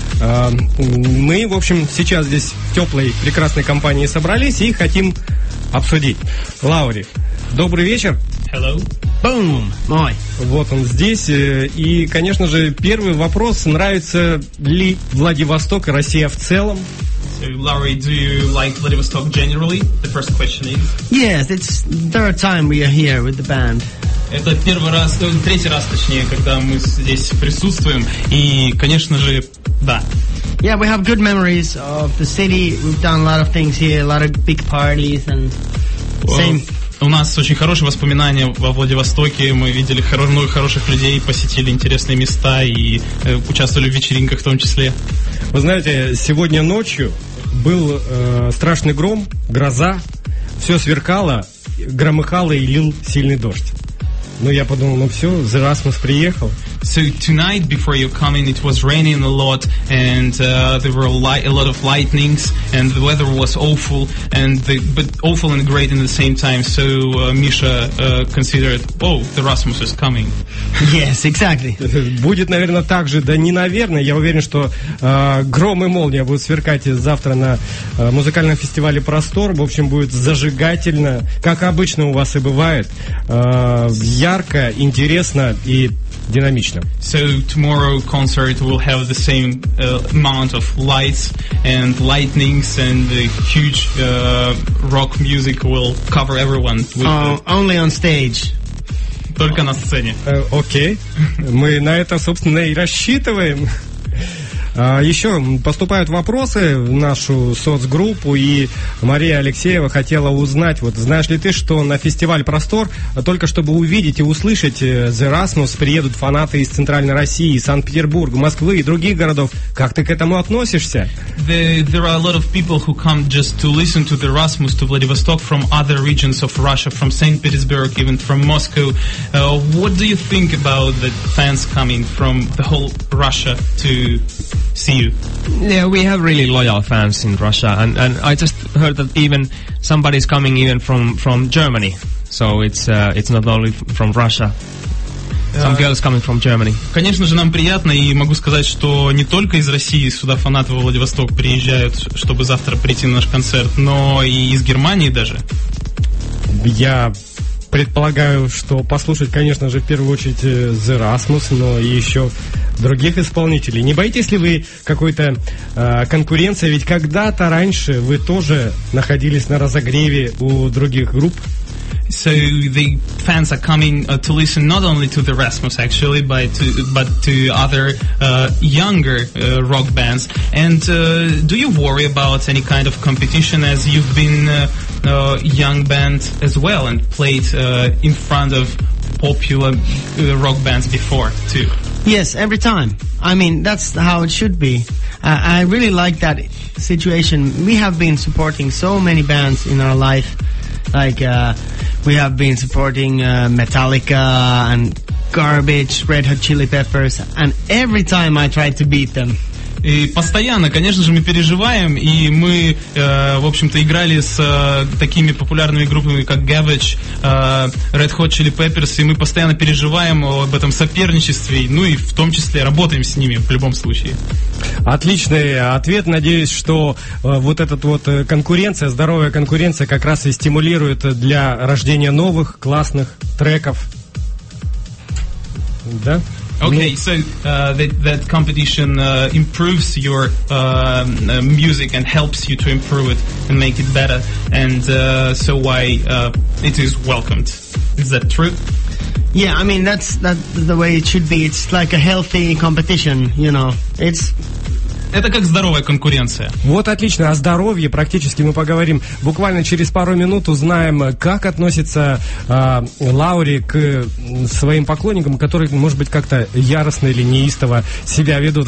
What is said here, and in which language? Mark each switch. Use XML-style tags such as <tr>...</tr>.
<ru>Мы, в общем, сейчас здесь в теплой, прекрасной компании собрались и хотим обсудить. Лаури, добрый вечер.</ru> <en>Hello.</en> <ru>Бум! Мой. Вот он здесь. И, конечно же, первый вопрос: нравится ли Владивосток и Россия в целом?</ru> <en>So, Laurie, do you like Vladivostok generally? The first question is. Yes, it's the third time we are here with the band.</en> <ru>Это первый раз, третий раз, точнее, когда мы здесь присутствуем. И, конечно же, да.</ru> <en>Yeah, we have good memories of the city. We've done a lot of things here, a lot of big parties and same.</en> <ru>У нас очень хорошие воспоминания во Владивостоке. Мы видели много хороших людей, посетили интересные места и участвовали в вечеринках в том числе. Вы знаете, сегодня ночью был страшный гром, гроза, все сверкало, громыхало и лил сильный дождь. Ну, я подумал, ну все, The Rasmus приехал.</ru> <en>So tonight, before you coming, it was raining a lot, and there were a lot of lightnings, and the weather was awful, but awful and great in the same time. So Misha considered, oh, The Rasmus is coming. Yes, exactly.</en> <ru>Будет, наверное, так же. Да не наверное, я уверен, что гром и молния будут сверкать завтра на музыкальном фестивале «Простор». В общем, будет зажигательно, как обычно у вас и бывает. Ярко, интересно и динамично.</ru> <en>So tomorrow concert will have the same amount of lights and lightnings, and the huge rock music will cover everyone. Only on stage.</en> <ru>Только на сцене. Окей. Мы на это, собственно, и рассчитываем. Еще поступают вопросы в нашу соцгруппу, и Мария Алексеева хотела узнать, вот знаешь ли ты, что на фестиваль «Простор», только чтобы увидеть и услышать «The Rasmus», приедут фанаты из Центральной России, Санкт-Петербурга, Москвы и других городов. Как ты к этому относишься?</ru> <en>There are a lot of people who come just to listen to «The Rasmus», to Vladivostok, from other regions of Russia, from St. Petersburg, even from Moscow. What do you think about the fans coming from the whole Russia to see you? Yeah, we have really loyal fans in Russia, and I just heard that even somebody's coming even from Germany, so it's not only from Russia. Some girls coming from Germany.</en> <ru>Конечно же, нам приятно, и могу сказать, что не только из России сюда фанаты во Владивосток приезжают, чтобы завтра прийти на наш концерт, но и из Германии даже. Я предполагаю, что послушать, конечно же, в первую очередь «The Rasmus», но и еще других исполнителей. Не боитесь ли вы какой-то конкуренции? Ведь когда-то раньше вы тоже находились на разогреве у других групп.</ru> <en>So the fans are coming to listen not only to The Rasmus, actually, but to other younger rock bands. And do you worry about any kind of competition, as you've been a young band as well and played in front of popular rock bands before too? Yes, every time. I mean, that's how it should be. I really like that situation. We have been supporting so many bands in our life. Like, we have been supporting Metallica and Garbage, Red Hot Chili Peppers, and every time I try to beat them.</en> <ru>И постоянно, конечно же, мы переживаем, и мы, в общем-то, играли с такими популярными группами, как Gavage, Red Hot Chili Peppers, и мы постоянно переживаем об этом соперничестве, ну и в том числе работаем с ними в любом случае. Отличный ответ. Надеюсь, что вот эта вот конкуренция, здоровая конкуренция как раз и стимулирует для рождения новых классных треков. Да?</ru> <en>Okay, so that competition improves your music and helps you to improve it and make it better. And so why it is welcomed. Is that true? Yeah, I mean, that's the way it should be. It's like a healthy competition, you know. It's...</en> <ru>Это как здоровая конкуренция. Вот отлично. О здоровье практически мы поговорим буквально через пару минут, узнаем, как относится Лаури к своим поклонникам, которые, может быть, как-то яростно или неистово себя ведут.</ru>